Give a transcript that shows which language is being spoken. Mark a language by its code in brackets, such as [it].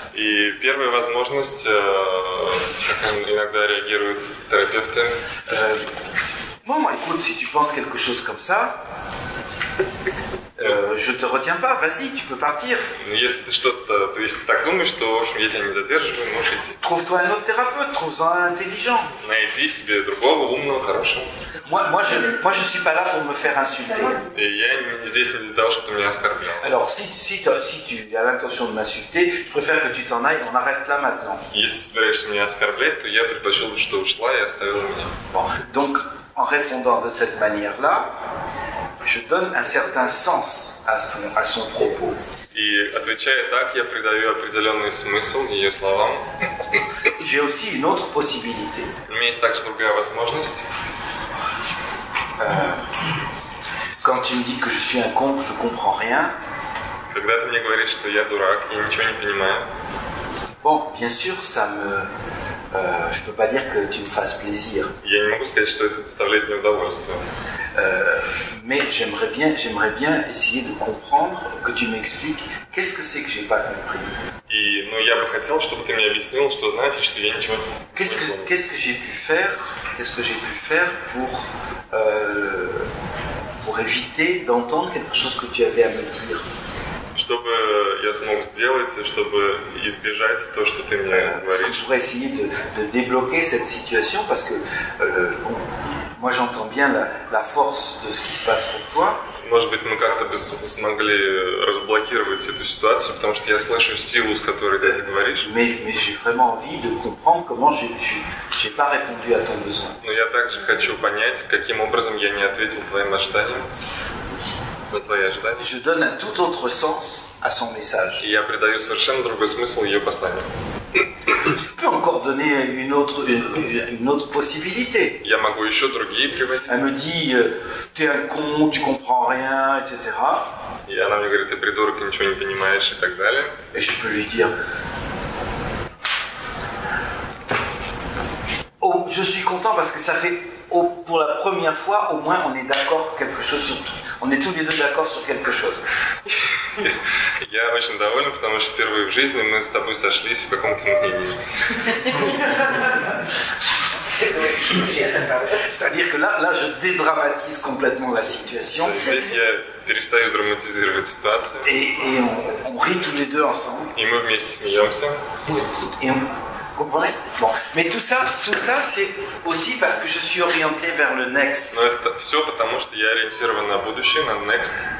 [ru] Et первая возможность, как иногда реагируют терапевты. [fr] Bon, écoute, si tu penses quelque chose comme ça, je te retiens pas. Vas-y, tu peux partir. [ru] Если ты что-то, то есть так думаешь, то в общем я тебя не задерживаю, можешь идти. [fr] Trouve-toi un autre thérapeute, trouve-en un intelligent. [ru] Найди себе другого умного, хорошего. [fr] Moi je suis pas là pour me faire insulter. [ru] Et я не здесь для того, чтобы меня оскорблял. [fr] Alors si tu as l'intention de m'insulter, je préfère que tu t'en ailles. On arrête là maintenant. [ru] Если ты собираешься меня оскорблять, то я предпочел бы, что ушла и оставила меня. [fr] Bon, donc en répondant de cette manière là. Je donne un certain sens à son propos. [ru] И отвечая так, я придаю определенный смысл ее словам. [fr] J'ai aussi une autre possibilité. [ru] У меня есть также другая возможность. [fr] Quand tu me dis que je suis un con, je comprends rien. [ru] Когда ты мне говоришь, что я дурак, я ничего не понимаю. [fr] Bon, bien sûr, ça me je peux pas dire que tu me fasses plaisir. [ru] Я не могу сказать, что это доставляет мне удовольствие. [fr] Mais j'aimerais bien essayer de comprendre, que tu m'expliques qu'est-ce que c'est que j'ai pas compris. [ru] И, ну, я бы хотел, чтобы ты мне объяснил, что значит, что я ничего. [fr] Qu'est-ce que j'ai pu faire pour éviter d'entendre quelque chose que tu avais à me dire. [ru] Чтобы я смог сделать, чтобы избежать то, что ты мне говоришь. [fr] Je voudrais essayer de débloquer cette situation parce que moi j'entends bien la force de ce qui se passe pour toi. [ru] Может быть, мы как-то бы смогли разблокировать эту ситуацию, потому что я слышу силу, с которой ты говоришь. [fr] Mais j'ai vraiment envie de comprendre comment j'ai pas répondu à ton besoin. [ru] Но я также хочу понять, каким образом я не ответил твоим ожиданиям. [fr] Je donne un tout autre sens à son message. [ru] И я придаю совершенно другой смысл ее посланию. [fr] Je peux encore donner une autre possibilité. [ru] Я могу еще другие приводить. [fr] Elle me dit, t'es un con, tu comprends rien, etc. [ru] И она мне говорит, ты придурок, ничего не понимаешь и так далее. [fr] Et je peux lui dire, oh, je suis content parce que ça fait pour la première fois, au moins, on est d'accord quelque chose sur tout. On est tous les deux d'accord sur quelque chose. [ru] Я очень доволен, потому что впервые в жизни мы с тобой сошлись в каком-то мнении. [fr] C'est-à-dire que là je dédramatise complètement la situation. [ru] Здесь я перестаю драматизировать ситуацию. [fr] Et on rit tous les deux ensemble. [ru] И мы вместе смеемся. [fr] Comprenez? Bon, mais tout ça, c'est aussi parce que je suis orienté vers le next. [ru] Но это все потому, что я ориентирован на будущее, на next.